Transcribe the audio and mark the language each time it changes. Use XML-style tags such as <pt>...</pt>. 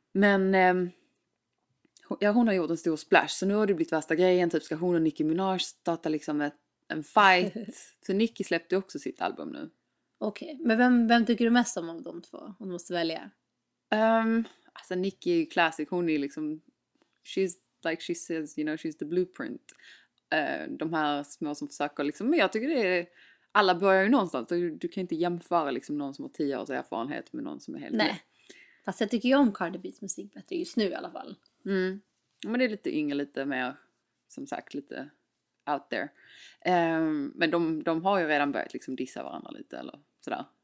<sv>Men hon har gjort en stor splash. Så nu har det blivit värsta grejen. Typ ska hon och Nicki Minaj starta liksom en fight. Så Nicki släppte också sitt album nu. Okej, okay. Men vem tycker du mest om av de två? Hon måste välja. Alltså Nicki är ju classic. Hon är liksom.</sv> <en>She's like she says, you know, she's the blueprint.</en> <sv>De här små som försöker liksom, men jag tycker det är, alla börjar ju någonstans. Du kan inte jämföra liksom någon som har 10 års erfarenhet med någon som är helt nej. Med. Fast jag tycker ju om Cardi B's musik bättre just nu i alla fall. Mm. Men det är lite yngre, lite mer, som sagt, lite out there. Men de har ju redan börjat liksom dissa varandra lite eller sådär.</sv>